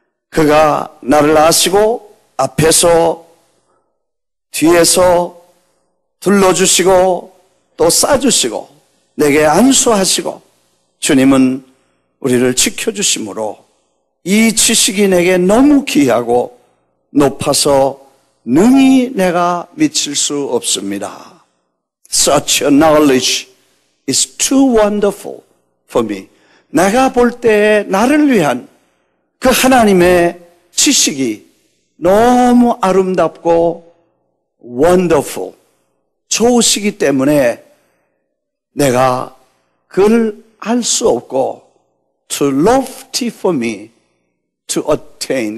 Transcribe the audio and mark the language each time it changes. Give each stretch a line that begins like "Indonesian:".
Korean: 그가 나를 아시고 앞에서 뒤에서 둘러주시고 또 싸주시고 내게 안수하시고 주님은 우리를 지켜주심으로 이 지식이 내게 너무 귀하고 높아서 능히 내가 미칠 수 없습니다.
English: Such a knowledge is too wonderful for me.
Korean: 내가 볼 때 나를 위한 그 하나님의 지식이 너무 아름답고 wonderful, 좋으시기 때문에 내가 그를 알 수 없고
English: too lofty for me to attain.